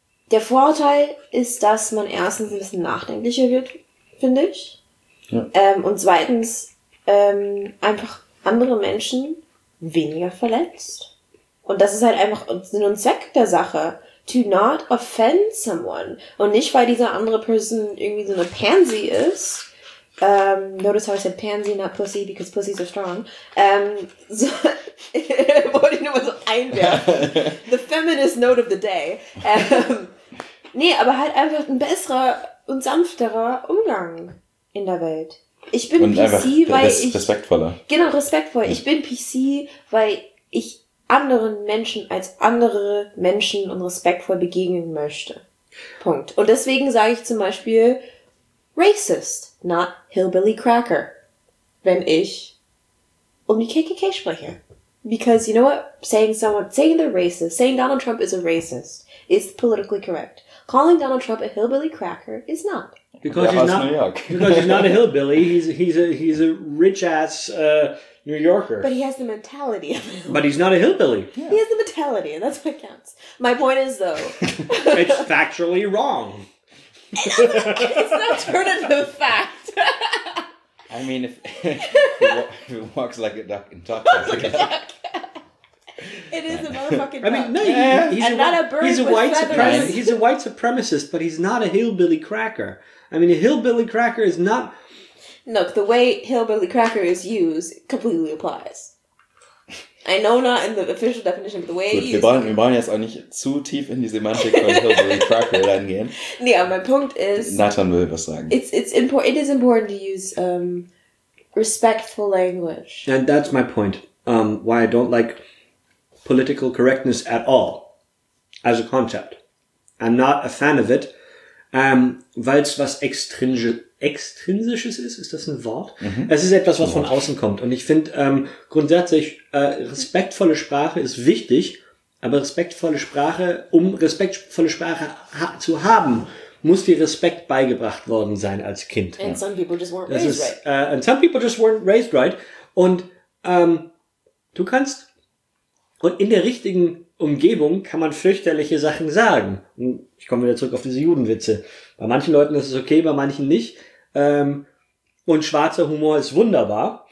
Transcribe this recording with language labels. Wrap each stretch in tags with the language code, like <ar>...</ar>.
<de>Der Vorteil ist, dass man erstens ein bisschen nachdenklicher wird, finde ich. Ja. Und zweitens einfach andere Menschen weniger verletzt. Und das ist halt einfach Sinn und Zweck der Sache.</de> <en>To not offend someone.</en> <de>Und nicht, weil diese andere Person irgendwie so eine Pansy ist.</de> <en>Notice how I said Pansy, not Pussy, because Pussies are strong.</en> <de>So wollte ich nur mal so einwerfen.</de> <en>The feminist note of the day.</en> <de>Nee, aber halt einfach ein besserer und sanfterer Umgang in der Welt. Ich bin und PC, weil ich... respektvoller. Genau, respektvoll. Ja. Ich bin PC, weil ich... anderen Menschen als andere Menschen und respektvoll begegnen möchte. Punkt. Und deswegen sage ich zum Beispiel</de> <en>Racist, not Hillbilly Cracker,</en> <de>wenn ich um die KKK spreche.</de> <en>Because you know what? Saying they're racist, saying Donald Trump is a racist is politically correct. Calling Donald Trump a Hillbilly Cracker is not. Because he's not a hillbilly, he's a rich ass New Yorker. But he has the mentality of a hillbilly. But he's not a hillbilly. Yeah. He has the mentality, and that's what counts. My point is, though... it's factually wrong. It's an alternative fact. I mean, if he walks like a duck and talks like a duck. It is a motherfucking duck. I mean, no, he's a white supremacist, but he's not a hillbilly cracker. I mean, a hillbilly cracker is not... Look, the way hillbilly cracker is used completely applies. I know not in the official definition, but the way it's used...</en> <de>Wir wollen jetzt auch nicht zu tief in die Semantik von hillbilly cracker reingehen. Nee, aber mein Punkt ist... Nathan will was sagen.</de> <en>It is important to use respectful language. And that's my point. Why I don't like... political correctness at all as a concept. I'm not a fan of it,</en> <de>weil es was Extrinsisches ist. Ist das ein Wort? Mhm. Es ist etwas, was von außen kommt. Und ich finde grundsätzlich, respektvolle Sprache ist wichtig, aber respektvolle Sprache, um respektvolle Sprache zu haben, muss dir Respekt beigebracht worden sein als Kind.</de> <en>And some people just weren't raised right. And some people just weren't raised right.</en> <de>Und du kannst... Und in der richtigen Umgebung kann man fürchterliche Sachen sagen. Ich komme wieder zurück auf diese Judenwitze. Bei manchen Leuten ist es okay, bei manchen nicht. Und schwarzer Humor ist wunderbar.</de>